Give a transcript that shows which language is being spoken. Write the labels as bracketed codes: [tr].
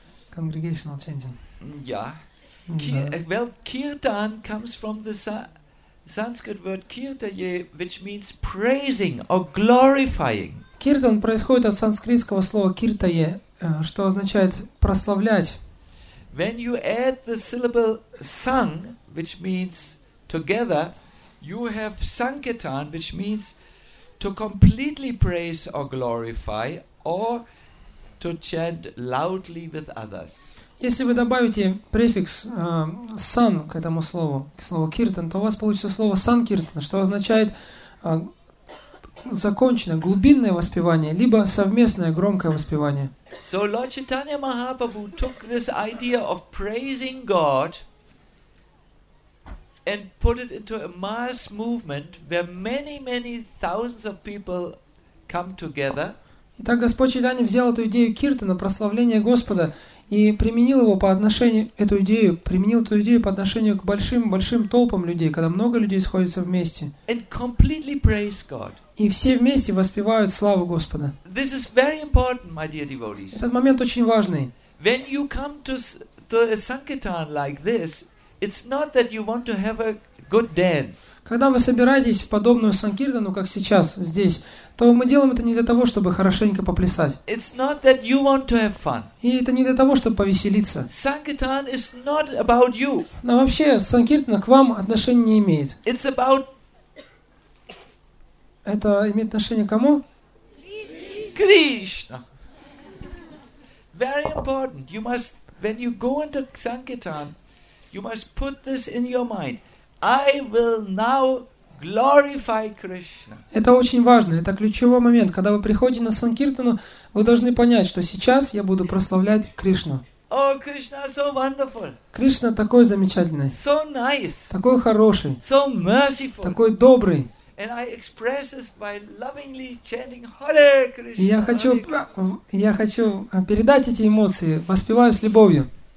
[en] Congregational chanting. Yeah. Well, kirtan comes from the Sanskrit word kirtaye, which means praising or glorifying. [ru] Киртан происходит от санскритского слова киртае, что означает прославлять. [en] When you add the syllable sang, which means together, you have sankirtan, which means to completely praise or glorify, or to chant loudly with others. [ru] Если вы добавите префикс «сан» к этому слову, к слову «киртан», то у вас получится слово «санкиртан», что означает законченное, глубинное воспевание, либо совместное, громкое воспевание. [en] So Lord Chaitanya Mahaprabhu took this idea of praising God and put it into a mass movement where many, many thousands of people come together. [ru] Итак, Господь Чайтанья взял эту идею киртана, прославление Господа, и применил его по отношению, эту идею, применил эту идею по отношению к большим-большим толпам людей, когда много людей сходятся вместе. [en] And completely praise God. [ru] И все вместе воспевают славу Господа. [en] This is very important, my dear devotees. [ru] Этот момент очень важный. [en] When you come to a sankirtan like this, it's not that you want to have a good dance. [ru] Когда вы собираетесь в подобную санкиртану, как сейчас здесь, то мы делаем это не для того, чтобы хорошенько поплясать. [en] It's not that you want to have fun. [ru] И это не для того, чтобы повеселиться. [en] Sankirtan is not about you. [ru] Но вообще санкиртана к вам отношения не имеет. [en] It's about... [ru] Это имеет отношение к кому? [en] Кришна. Very important. You must, when you go into sankirtan, you must put this in your mind. I will now glorify Krishna. [ru] Это очень важно, это ключевой момент. Когда вы приходите на санкиртану, вы должны понять, что сейчас я буду прославлять Кришну. [en] Oh, Krishna so wonderful. [ru] Кришна такой замечательный. [en] So nice. [ru] Такой хороший. [en] So merciful. [ru] Такой добрый. [en] And I express this by lovingly chanting Hare Krishna. [ru] Я хочу передать эти эмоции, воспеваю с любовью.